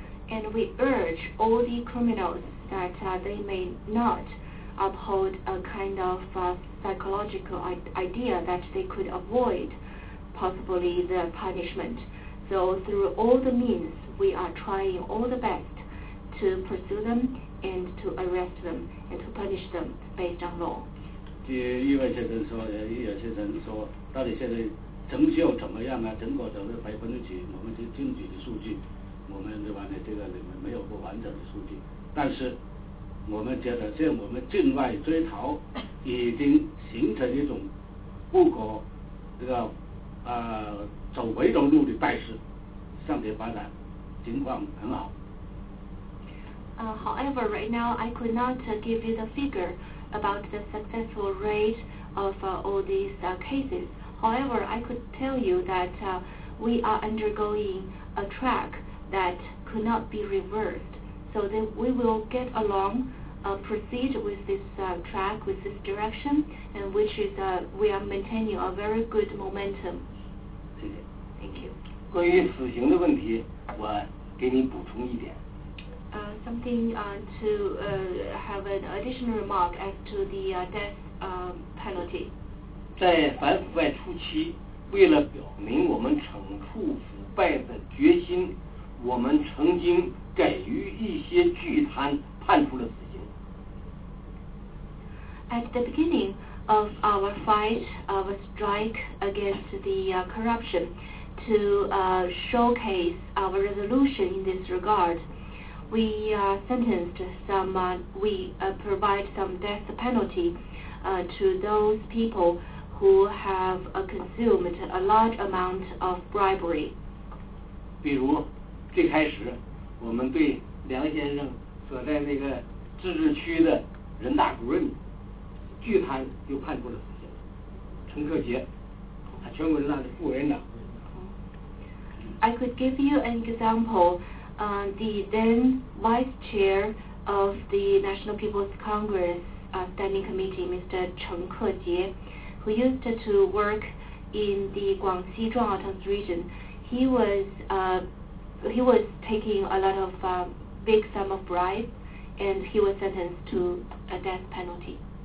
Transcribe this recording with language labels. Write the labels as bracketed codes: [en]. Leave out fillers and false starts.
[en] And we urge all the criminals that they may not uphold a kind of psychological idea that they could avoid possibly the punishment. So through all the means, we are trying all the best to pursue them and to arrest them and to punish them based on law. [zh] 叶先生说到底现在成效怎么样啊，成果怎么样，百分之几，我们就经济的数据，我们对吧，这个里面没有不完整的数据，但是我们觉得现在我们境外追逃已经形成一种不可这个走回头路的态势，向前发展情况很好。 [en] However, right now I could not give you the figure about the successful rate of all these cases. However, I could tell you that we are undergoing a track that could not be reversed. So then we will get along, proceed with this track, with this direction, and which is we are maintaining a very good momentum. Thank you. Something to have an additional remark as to the death penalty. [zh] 在反腐败初期，为了表明我们惩处腐败的决心，我们曾经给予一些巨贪判处了死刑。 [en] At the beginning of our fight, our strike against the corruption, to showcase our resolution in this regard. We sentenced some, we provide some death penalty to those people who have consumed a large amount of bribery. [zh] 比如最开始我们对梁先生所在那个自治区的人大主任巨贪就判处了死刑，陈克杰，他全国人大的副委员长。 [en] I could give you an example. The then vice chair of the National People's Congress Standing Committee, Mr. Cheng Kejie, who used to work in the Guangxi Zhuangautang region, he was taking a lot of big sum of bribe, and he was sentenced to a death penalty.